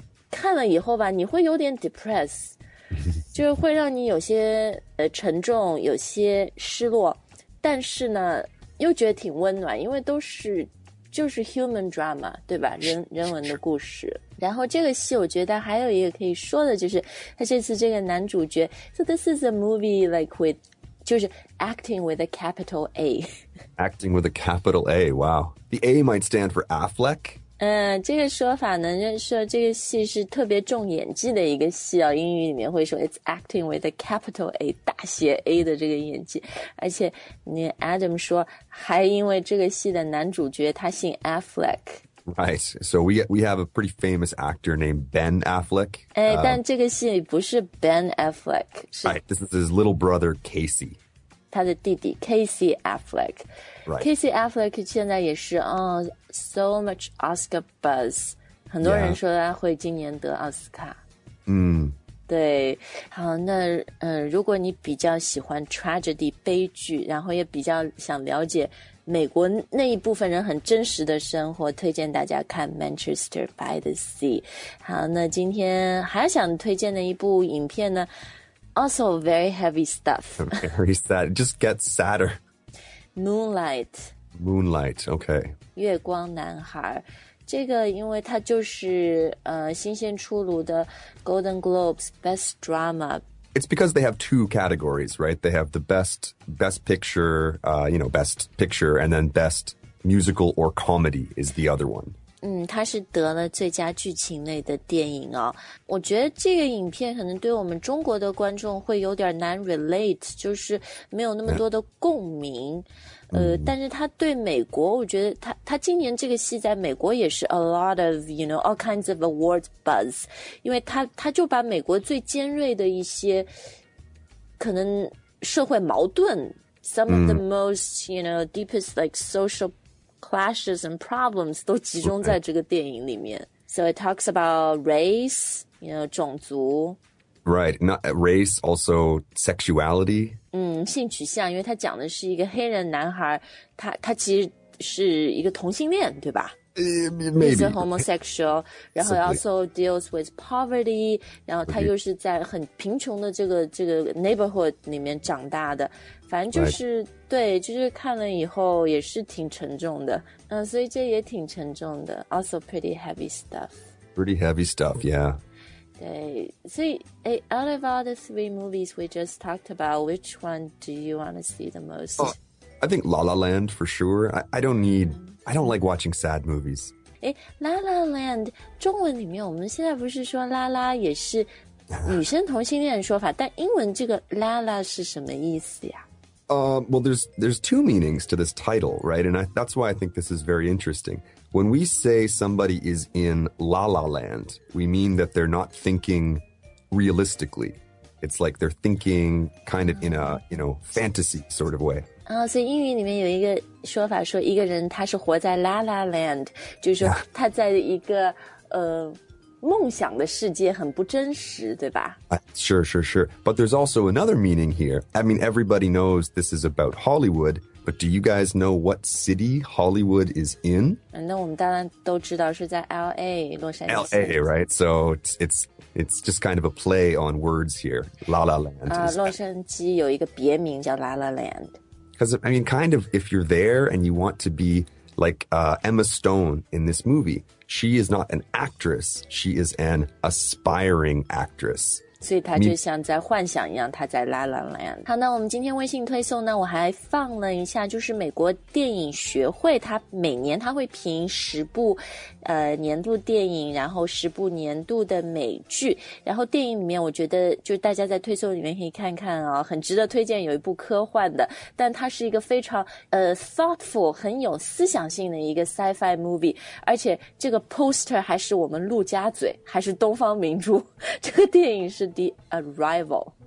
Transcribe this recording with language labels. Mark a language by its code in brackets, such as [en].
[zh] 看了以后吧，你会有点 depress， 就是会让你有些沉重，有些失落，但是呢，又觉得挺温暖，因为都是。就是 human drama， 对吧？人文的故事。然后这个戏我觉得还有一个可以说的，就是他这次这个男主角 [en] So this is a movie like with [zh] 就是 [en] acting with a capital A Acting with a capital A, wow. The A might stand for Affleck? [zh] 这个说法呢就是说这个戏是特别重演技的一个戏啊，英语里面会说 [en] It's acting with a capital A [zh] 大写 A 的这个演技，而且你 Adam 说还因为这个戏的男主角他姓 Affleck [en] Right, so we have a pretty famous actor named Ben Affleck [zh] 但这个戏不是 Ben Affleck 是 [en] Right, this is his little brother Casey [zh] 他的弟弟 Casey Affleck [en] Right. [zh] Casey Affleck 现在也是、 [en] so much Oscar buzz [zh] 很多人说他会今年得奥斯卡、对好那、如果你比较喜欢 tragedy 悲剧然后也比较想了解美国那一部分人很真实的生活推荐大家看 Manchester by the Sea 好那今天还想推荐的一部影片呢 [en] also very heavy stuff very sad it just gets sadder Moonlight. Moonlight, okay. [zh] 月光男孩这个因为它就是、新鲜出炉的 Golden Globes Best Drama. [en] It's because they have two categories, right? They have the best picture,、you know, best picture, and then best musical or comedy is the other one. [zh] 他是得了最佳剧情类的电影哦。我觉得这个影片可能对我们中国的观众会有点难 relate, 就是没有那么多的共鸣。但是他对美国我觉得他今年这个戏在美国也是 [en] a lot of, you know, all kinds of awards buzz, [zh] 因为他就把美国最尖锐的一些可能社会矛盾 [en] some of the most, you know, deepest like social clashes and problems [zh] 都集中在这个电影里面 [en] So it talks about race you know [zh] 种族 [en] Right, not race, also sexuality [zh] 性取向因为他讲的是一个黑人男孩 他其实是一个同性恋对吧 [en] Maybe He's a homosexual [zh] 然后 [en] also deals with poverty [zh] 然后他又是在很贫穷的这个 neighborhood 里面长大的反正就是、 [en] right. [zh] 对就是看了以后也是挺沉重的、所以这也挺沉重的 [en] Also pretty heavy stuff Pretty heavy stuff, yeah [zh] 对所以 [en] Out of all the three movies we just talked about Which one do you want to see the most?、 Oh, I think La La Land for sure I don't like watching sad movies [zh] La La Land 中文里面我们现在不是说 La La 也是女生同性恋的说法但英文这个 La La 是什么意思呀 [en] Well, there's two meanings to this title, right? And that's why I think this is very interesting. When we say somebody is in La La Land, we mean that they're not thinking realistically. It's like they're thinking kind of in a, you know, fantasy sort of way. [zh] So 英语里面有一个说法说一个人他是活在 La La Land, 就是说他在一个、梦想的世界很不真实对吧 [en] sure. But there's also another meaning here. I mean, everybody knows this is about Hollywood, but do you guys know what city Hollywood is in? [zh] 那我们当然都知道是在 LA, 洛杉矶。 [en] LA, right? So it's just kind of a play on words here. La La Land. [zh] 洛杉矶有一个别名叫 La La Land. [en] Because, I mean, kind of, if you're there and you want to be... Like、Emma Stone in this movie, she is not an actress, she is an aspiring actress. [zh] 所以她就像在幻想一样她在 La La Land. 好那我们今天微信推送呢我还放了一下就是美国电影学会它每年它会评十部、年度电影然后十部年度的美剧。然后电影里面我觉得就大家在推送里面可以看看啊、很值得推荐有一部科幻的但它是一个非常thoughtful, 很有思想性的一个 sci-fi movie, 而且这个 poster 还是我们陆家嘴还是东方明珠这个电影是The Arrival